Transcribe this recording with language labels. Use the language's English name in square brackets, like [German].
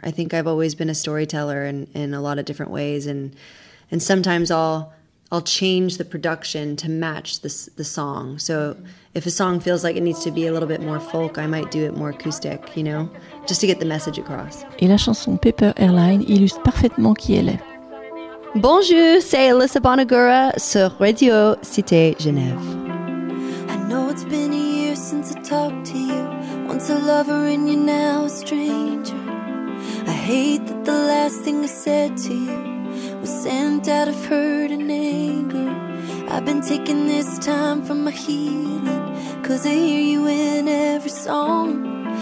[English] I think I've always been a storyteller in a lot of different ways, and sometimes I'll change the production to match the song. So if a song feels like it needs to be a little bit more folk, I might do it more acoustic, you know, just to get the message across. [French] Et la chanson Paper Airline illustre parfaitement qui elle est. Bonjour, c'est Alyssa Bonagura sur Radio Cité Genève. [English] I know it's been a year since I talked to you. Once a lover and you're now a stranger. I hate that the last thing I said to you was sent out of hurt and anger. I've been taking this time for my healing, 'cause I hear you in every song.